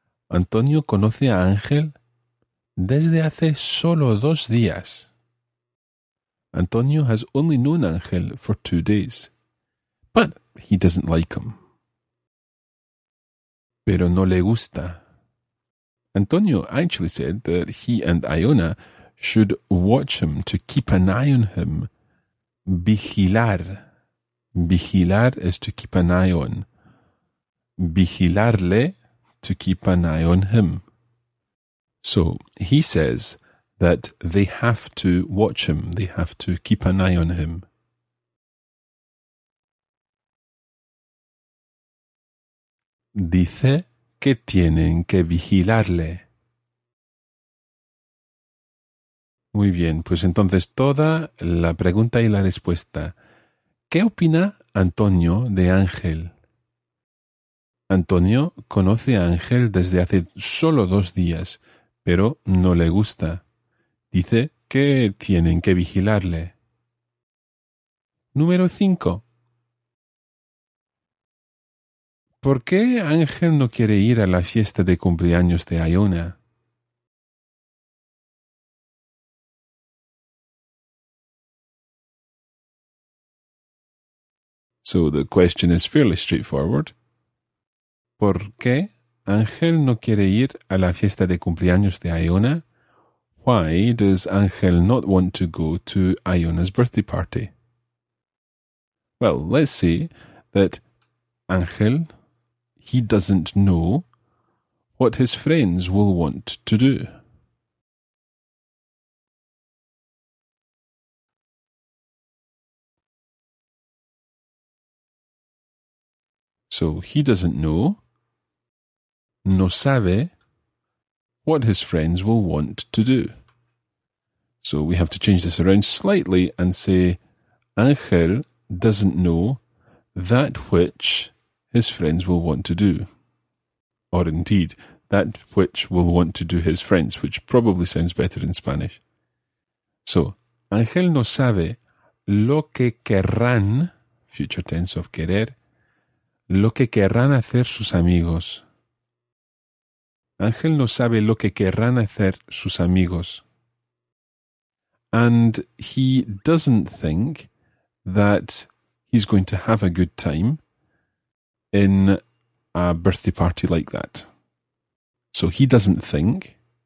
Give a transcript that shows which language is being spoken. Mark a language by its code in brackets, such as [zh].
[es] Antonio conoce a Ángel desde hace solo 2 días. [en] Antonio has only known Ángel for 2 days. But he doesn't like him. [es] Pero no le gusta. [en] Antonio actually said that he and Iona should watch him, to keep an eye on him. Vigilar. Vigilar is to keep an eye on. Vigilarle, to keep an eye on him. So he says that they have to watch him, they have to keep an eye on him. [es] Dice que tienen que vigilarle. Muy bien, pues entonces toda la pregunta y la respuesta. ¿Qué opina Antonio de Ángel? Antonio conoce a Ángel desde hace solo 2 días, pero no le gusta. Dice que tienen que vigilarle. Número 5. ¿Por qué Ángel no quiere ir a la fiesta de cumpleaños de Iona? [en] So the question is fairly straightforward. [es] ¿Por qué Ángel no quiere ir a la fiesta de cumpleaños de Iona? [en] Why does Ángel not want to go to Iona's birthday party? Well, let's say that Ángel, he doesn't know what his friends will want to do. So he doesn't know, [es] no sabe, [en] what his friends will want to do. So we have to change this around slightly and say, Ángel doesn't know that which his friends will want to do. Or indeed, that which will want to do his friends, which probably sounds better in Spanish. [es] So, Ángel no sabe lo que querrán, [en] future tense of querer, [es] lo que querrán hacer sus amigos. Ángel no sabe lo que querrán hacer sus amigos. [en] And he doesn't think that he's going to have a good time in a birthday party like that. So he doesn't think.